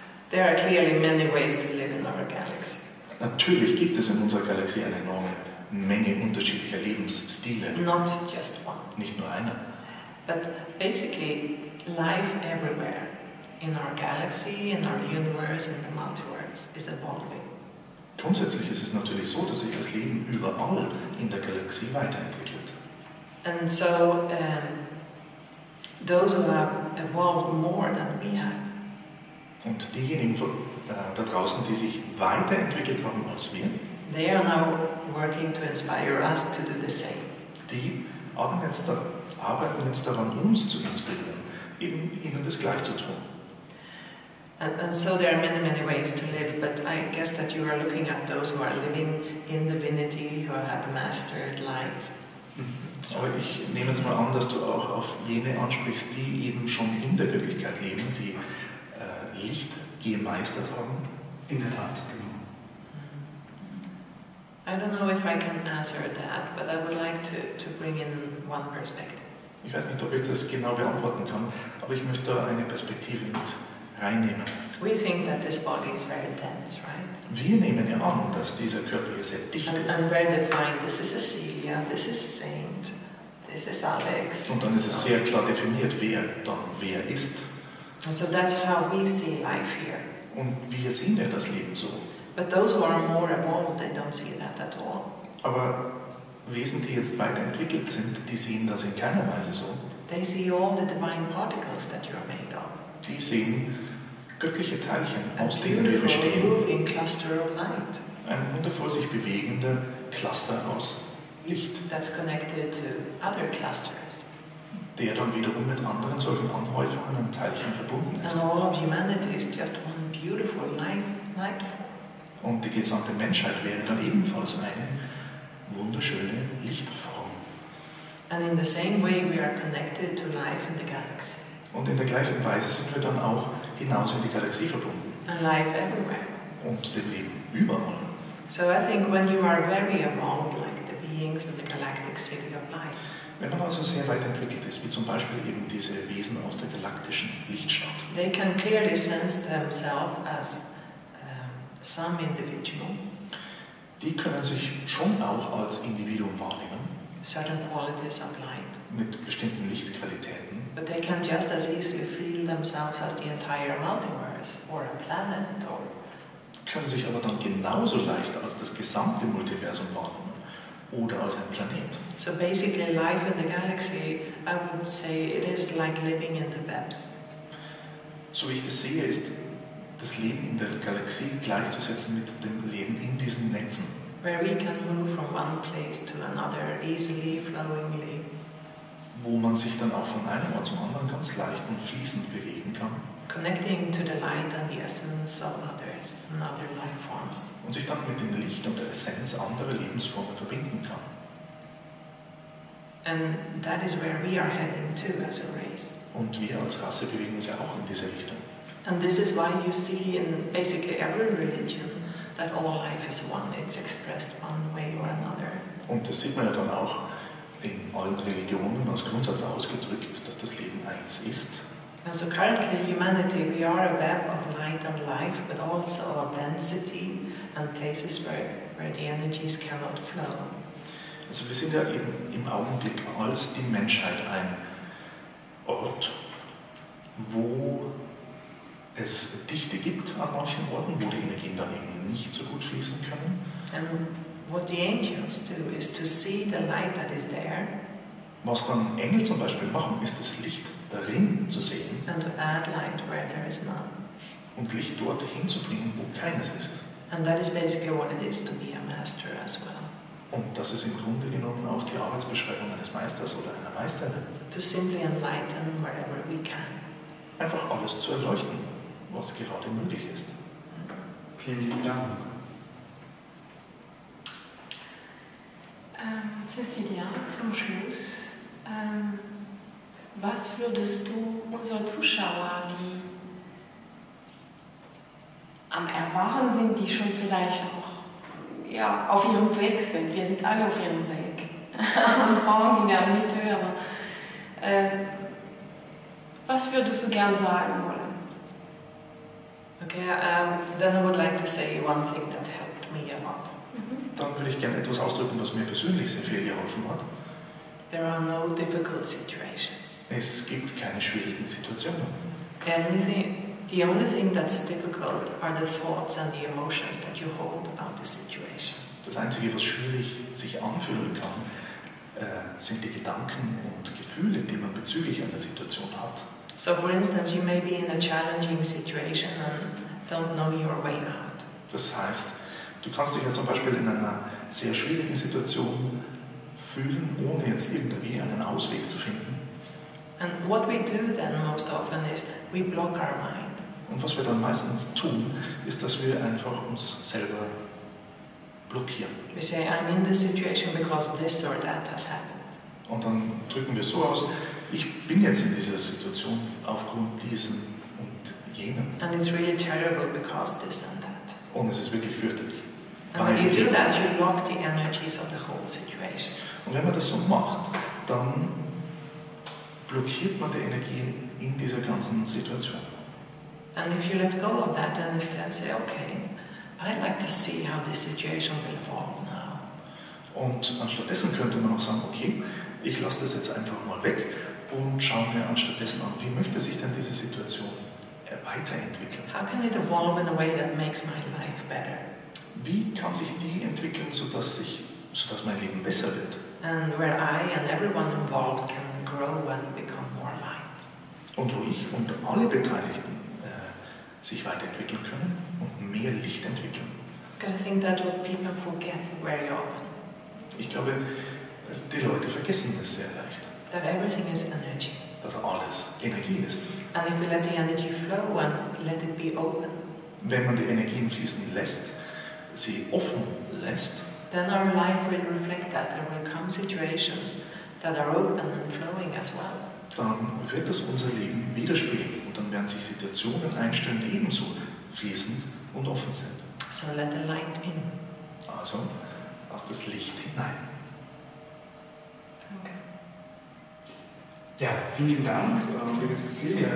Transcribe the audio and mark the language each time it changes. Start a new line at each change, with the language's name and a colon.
English: There are clearly many ways to live in our galaxy.
German: Natürlich gibt es in unserer Galaxie eine enorme Menge unterschiedlicher Lebensstile.
English: Not just one.
German: Nicht nur einer.
English: But basically, life everywhere in our galaxy, in our universe, in the multiverse is evolving.
German: Grundsätzlich ist es natürlich so, dass sich das Leben überall in der Galaxie weiterentwickelt.
English: And so, those who have evolved more than we have.
German: Und diejenigen von, da draußen, die sich weiterentwickelt haben als wir,
English: they are now working to inspire us to do the same.
German: Die arbeiten jetzt daran, uns zu inspirieren, eben ihnen das gleich zu tun.
English: And so there are many, many ways to live, but I guess that you are looking at those who are living in divinity, who have mastered light. So.
German: Aber ich nehme jetzt mal an, dass du auch auf jene ansprichst, die eben schon in der Wirklichkeit leben, die Licht gemeistert haben. In der Tat, genau.
English: I don't know if I can answer that, but I would like to bring in one perspective.
German: Ich weiß nicht, ob ich das genau beantworten kann, aber ich möchte eine Perspektive mit reinnehmen.
English: We think that this body is very dense, right?
German: Wir nehmen ja an, dass dieser Körper hier sehr dicht ist.
English: And very defined. This is Cecilia, this is Saint, this is Alex.
German: Und dann ist es sehr klar definiert, wer dann wer ist.
English: So that's how we see life here.
German: Und wir sehen ja das Leben so.
English: But those who are more evolved, they don't see that at all.
German: Aber Wesen, die jetzt weiterentwickelt sind, die sehen das in keiner Weise so.
English: They see all the divine particles that you are made of.
German: Die sehen göttliche Teilchen, aus denen wir bestehen.
English: Moving cluster of light.
German: Ein wundervoll sich bewegender Cluster aus Licht.
English: That's connected to other clusters.
German: Der dann wiederum mit anderen solchen Anhäufungen und Teilchen verbunden ist.
English: And all of humanity is just one beautiful light form.
German: Und die gesamte Menschheit wäre dann ebenfalls eine wunderschöne Lichtform.
English: And in the same way we are connected to life in the galaxy.
German: Und in der gleichen Weise sind wir dann auch hinaus in die Galaxie verbunden.
English: And life everywhere.
German: Und dem Leben überall.
English: So I think when you are very evolved, like the beings in the galactic city of life.
German: Wenn man also sehr weit entwickelt ist, wie zum Beispiel eben diese Wesen aus der galaktischen Lichtstadt.
English: They can clearly sense themselves as some individual.
German: Die können sich schon auch als Individuum wahrnehmen.
English: Certain qualities of light.
German: Mit bestimmten Lichtqualitäten.
English: But they can just as easily feel themselves as the entire multiverse or a planet or.
German: Können sich aber dann genauso leicht als das gesamte Multiversum wahrnehmen oder als ein Planet.
English: So basically, life in the galaxy, I would say, it is like living in the webs.
German: So wie ich es sehe, ist das Leben in der Galaxie gleichzusetzen mit dem Leben in diesen Netzen.
English: Where we can move from one place to another easily, flowingly.
German: Wo man sich dann auch von einem Ort zum anderen ganz leicht und fließend bewegen kann.
English: Connecting to the light and the essence of others and other life forms.
German: Und sich dann mit dem Licht und der Essenz anderer Lebensformen verbinden kann.
English: And that is where we are heading to as a race.
German: Und wir als Rasse bewegen uns ja auch in diese Richtung.
English: And this is why you see in basically every religion that all life is one. It's expressed one way or another.
German: Und das sieht man ja dann auch in allen Religionen als Grundsatz ausgedrückt, dass das Leben eins ist.
English: And so currently humanity, we are a web of light and life, but also of density and places where the energies cannot flow.
German: Also wir sind ja eben im Augenblick als die Menschheit ein Ort, wo es Dichte gibt an manchen Orten, wo die Energien dann eben nicht so gut fließen können.
English: And what the angels do is to see the light that is there.
German: Was dann Engel zum Beispiel machen, ist das Licht darin zu sehen.
English: And to add light where there is none.
German: Und Licht dort hinzubringen, wo keines ist.
English: And that is basically what it is to be a master as well.
German: Und das ist im Grunde genommen auch die Arbeitsbeschreibung eines Meisters oder einer Meisterin.
English: To simply enlighten wherever we can.
German: Einfach alles zu erleuchten, was gerade möglich ist. Vielen lieben Dank. Cecilia, zum Schluss. Was würdest du unseren Zuschauern, die am Erwachen sind, die schon vielleicht auch ja, auf ihrem Weg sind, wir sind alle auf ihrem Weg, am Morgen in der Mitte, aber was würdest du gern sagen wollen?
English: Okay, then I would like to say one thing that helped me a lot.
German: Dann würde ich gerne etwas ausdrücken, was mir persönlich sehr viel geholfen hat.
English: There are no difficult situations.
German: Es gibt keine schwierigen Situationen.
English: The only thing that's difficult are the thoughts and the emotions that you hold about the situation.
German: Das Einzige, was schwierig sich anfühlen kann, sind die Gedanken und Gefühle, die man bezüglich einer Situation hat.
English: So for instance, you may be in a challenging situation and don't know your way out.
German: Das heißt, du kannst dich ja zum Beispiel in einer sehr schwierigen Situation fühlen, ohne jetzt irgendwie einen Ausweg zu finden.
English: And what we do then most often is we block our mind.
German: Und was wir dann meistens tun, ist, dass wir einfach uns selber blockieren.
English: We say, I'm in this situation because this or that has happened.
German: Und dann drücken wir so aus, ich bin jetzt in dieser Situation aufgrund diesem und jenem.
English: And it's really terrible because this and that.
German: Und es ist wirklich fürchterlich.
English: And when you do that, you block the energies of the whole situation.
German: Und wenn man das so macht, dann blockiert man die Energie in dieser ganzen Situation.
English: And if you let go of that, then instead say, okay, I'd like to see how this situation will evolve now.
German: Und anstattdessen könnte man auch sagen, okay, ich lasse das jetzt einfach mal weg und schaue mir anstattdessen an, wie möchte sich denn diese Situation weiterentwickeln?
English: How can it evolve in a way that makes my life better?
German: Wie kann sich die entwickeln, sodass mein Leben besser wird?
English: And where I and everyone involved can grow and become more light.
German: Und wo ich und alle Beteiligten sich weiterentwickeln können und mehr Licht entwickeln.
English: Because I think that what people forget very often.
German: Ich glaube, die Leute vergessen das sehr leicht.
English: That everything is energy.
German: Dass alles Energie ist.
English: And if we let the energy flow and let it be open.
German: Wenn man die Energien fließen lässt, sie offen lässt,
English: then our life will reflect that. There will come situations that are open and flowing as well.
German: Dann wird das unser Leben widerspiegeln und dann werden sich Situationen einstellen, die ebenso fließend und offen sind.
English: So let the light in.
German: Also lass das Licht hinein. Ja, vielen Dank, liebe Cecilia.